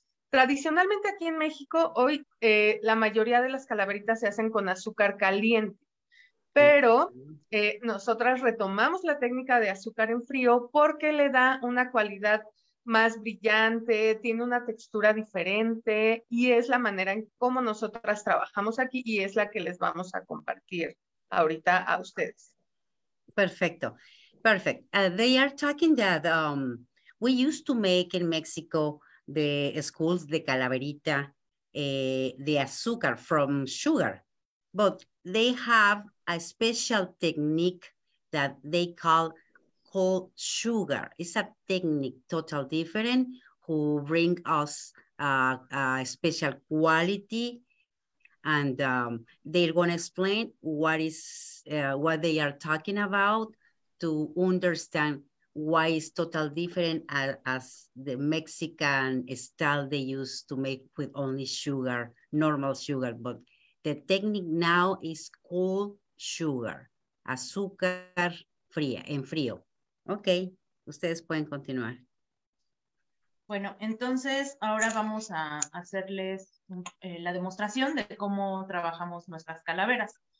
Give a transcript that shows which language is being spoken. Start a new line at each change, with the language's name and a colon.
Spanish: Tradicionalmente aquí en México, hoy la mayoría de las calaveritas se hacen con azúcar caliente, pero nosotras retomamos la técnica de azúcar en frío porque le da una cualidad más brillante, tiene una textura diferente y es la manera en cómo nosotras trabajamos aquí y es la que les vamos a compartir ahorita a ustedes. Perfecto, perfect.
English: They are talking that we used to make in Mexico the schools the calaverita, the azúcar from sugar, but they have a special technique that they call whole sugar. It's a technique totally different who bring us a special quality, and they're going to explain what they are talking about to understand why it's totally different as the Mexican style they used to make with only sugar, normal sugar, but the technique now is whole sugar,
Spanish: azúcar fría, en frío. Ok, ustedes pueden continuar. Bueno, entonces ahora vamos a hacerles la demostración de cómo trabajamos nuestras calaveras.